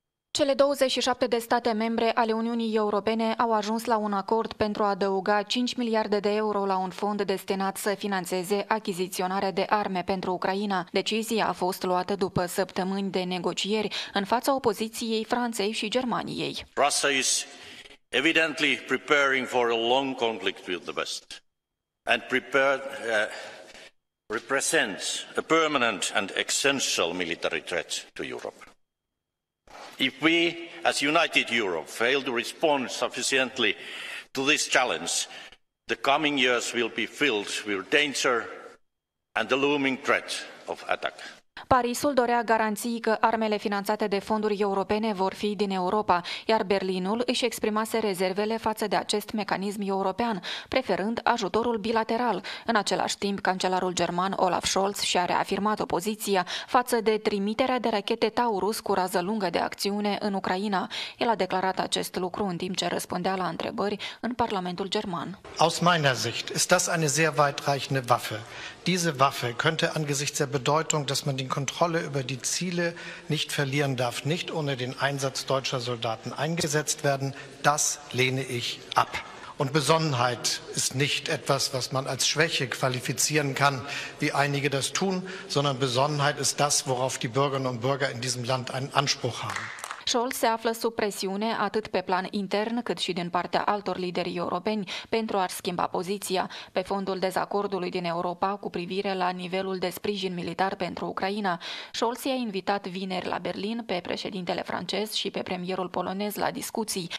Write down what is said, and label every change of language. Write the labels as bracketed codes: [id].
[ro] Cele 27 de state membre ale Uniunii Europene au ajuns la un acord pentru a adăuga 5 miliarde de euro la un fond destinat să finanțeze achiziționarea de arme pentru Ucraina. Decizia a fost luată după săptămâni de negocieri în fața opoziției Franței și Germaniei. [en] Russia is evidently preparing for a long conflict with the West and prepared represents a permanent and essential military threat to Europe. If we, as United Europe, fail to respond sufficiently to this challenge, the coming years will be filled with danger and the looming threat of attack. [ro] Parisul dorea garanții că armele finanțate de fonduri europene vor fi din Europa, iar Berlinul își exprimase rezervele față de acest mecanism european, preferând ajutorul bilateral. În același timp, cancelarul german Olaf Scholz și-a reafirmat opoziția față de trimiterea de rachete Taurus cu rază lungă de acțiune în Ucraina. El a declarat acest lucru în timp ce răspundea la întrebări în Parlamentul german. [de] Aus meiner Sicht ist das eine sehr weitreichende Waffe. Diese Waffe könnte angesichts der Bedeutung, dass man die Kontrolle über die Ziele nicht verlieren, darf nicht ohne den Einsatz deutscher Soldaten eingesetzt werden. Das lehne ich ab. Und Besonnenheit ist nicht etwas, was man als Schwäche qualifizieren kann, wie einige das tun, sondern Besonnenheit ist das, worauf die Bürgerinnen und Bürger in diesem Land einen Anspruch haben. [ro] Scholz se află sub presiune atât pe plan intern cât și din partea altor lideri europeni pentru a-și schimba poziția. Pe fondul dezacordului din Europa cu privire la nivelul de sprijin militar pentru Ucraina, Scholz i-a invitat vineri la Berlin pe președintele francez și pe premierul polonez la discuții.